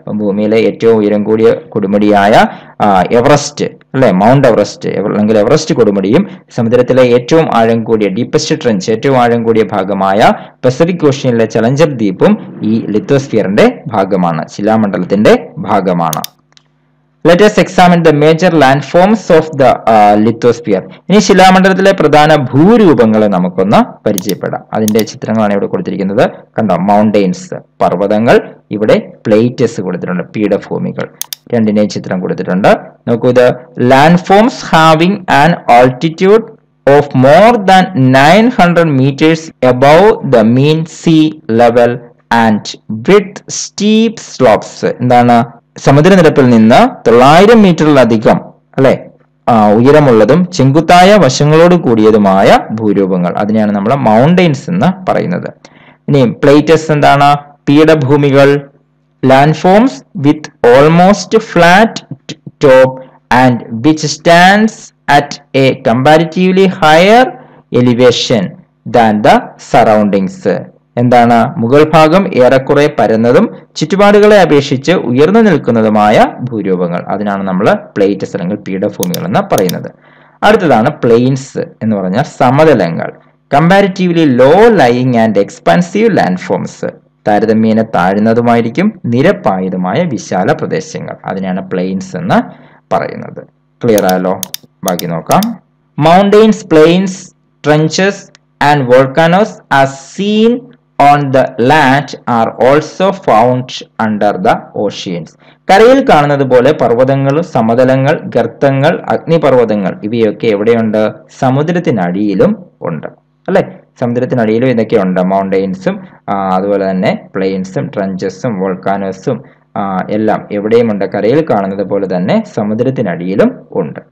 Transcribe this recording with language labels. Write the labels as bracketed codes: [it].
[ml] ഭൂമിയിലെ ഏറ്റവും ഉയരം കൂടിയ കൊടുമുടിയായ എവറസ്റ്റ് അല്ലെ, മൗണ്ട് എവറസ്റ്റ് അല്ലെങ്കിൽ എവറസ്റ്റ് കൊടുമുടിയും സമുദ്രത്തിലെ ഏറ്റവും ആഴം കൂടിയ ഡീപ്പസ്റ്റ് ട്രെഞ്ച്, ഏറ്റവും ആഴം കൂടിയ ഭാഗമായ പസഫിക് ഓഷ്യനിലെ ചലഞ്ചർ ദ്വീപും ഈ ലിത്തോസ്ഫിയറിന്റെ ഭാഗമാണ്, ശിലാമണ്ഡലത്തിന്റെ ഭാഗമാണ്. [en] Let us examine the major landforms of the lithosphere. [ml] ഇനി ശിലാമണ്ഡലത്തിലെ പ്രധാന ഭൂരൂപങ്ങളെ നമുക്കൊന്ന് പരിചയപ്പെടാം. അതിന്റെ ചിത്രങ്ങളാണ് ഇവിടെ കൊടുത്തിരിക്കുന്നത്, കണ്ടോ, മൗണ്ടെയ്ൻസ് പർവ്വതങ്ങൾ, ഇവിടെ പ്ലേറ്റസ് കൊടുത്തിട്ടുണ്ട്, പീഠഭൂമികൾ, രണ്ടിനെയും ചിത്രം കൊടുത്തിട്ടുണ്ട്. നോക്കൂ, [en] The land forms having an altitude of more than 900 meters above the mean sea level and with steep slopes. [ml] എന്താണ് സമുദ്രനിരപ്പിൽ നിന്ന് 900 മീറ്ററിലധികം അല്ലെ ഉയരമുള്ളതും ചെങ്കുത്തായ വശങ്ങളോട് കൂടിയതുമായ ഭൂരൂപങ്ങൾ, അതിനെയാണ് നമ്മൾ മൗണ്ടെയ്ൻസ് എന്ന് പറയുന്നത്. ഇനി പ്ലേറ്റസ് എന്താണ്? പീഠഭൂമികൾ, [en] Land forms with almost flat top and which stands at a comparatively higher elevation than the surroundings. [ml] എന്താണ്? മുഗൾ ഭാഗം ഏറെക്കുറെ പരന്നതും ചുറ്റുപാടുകളെ അപേക്ഷിച്ച് ഉയർന്നു നിൽക്കുന്നതുമായ ഭൂരൂപങ്ങൾ, അതിനാണ് നമ്മൾ പ്ലേറ്റസ് അല്ലെങ്കിൽ പീഠഭൂമികൾ എന്ന് പറയുന്നത്. അടുത്തതാണ് പ്ലെയിൻസ് എന്ന് പറഞ്ഞാൽ സമതലങ്ങൾ. [en] comparatively low lying and expansive land forms, [ml] താരതമ്യേന താഴ്ന്നതുമായിരിക്കും നിരപ്പായതുമായ വിശാല പ്രദേശങ്ങൾ, അതിനാണ് പ്ലെയിൻസ് എന്ന് പറയുന്നത്. ക്ലിയർ ആയല്ലോ. ബാക്കി നോക്കാം. [en] Mountains, plains, trenches and volcanoes as seen on the land are also found under the oceans. [ml] കരയിൽ കാണുന്നത് പോലെ പർവ്വതങ്ങളും സമതലങ്ങൾ, ഗർത്തങ്ങൾ, അഗ്നിപർവ്വതങ്ങൾ ഇവയൊക്കെ എവിടെയുണ്ട്? സമുദ്രത്തിനടിയിലും ഉണ്ട് അല്ലെ. സമുദ്രത്തിനടിയിലും ഇതൊക്കെ ഉണ്ട്, മൗണ്ടെയ്ൻസും അതുപോലെ തന്നെ പ്ലെയിൻസും ട്രഞ്ചസും വോൾക്കാനോസും എല്ലാം എവിടെയും ഉണ്ട്, കരയിൽ കാണുന്നത് പോലെ തന്നെ സമുദ്രത്തിനടിയിലും ഉണ്ട്.